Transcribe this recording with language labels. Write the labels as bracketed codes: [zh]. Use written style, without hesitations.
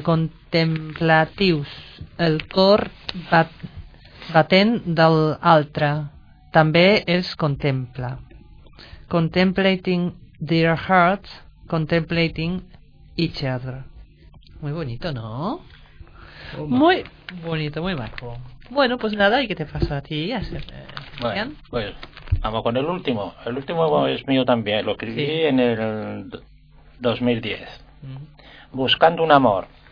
[ca] Contemplatius, el cor batent del altre, també els contempla. [en] Contemplating their hearts, contemplating each other. [es] Muy bonito, ¿no? Muy bonito, muy majo. Bueno, pues nada, ¿y qué te pasó a ti? Bueno, pues vamos con el último. El último es mío también. Lo escribí sí. En el 2010. Buscando un amor.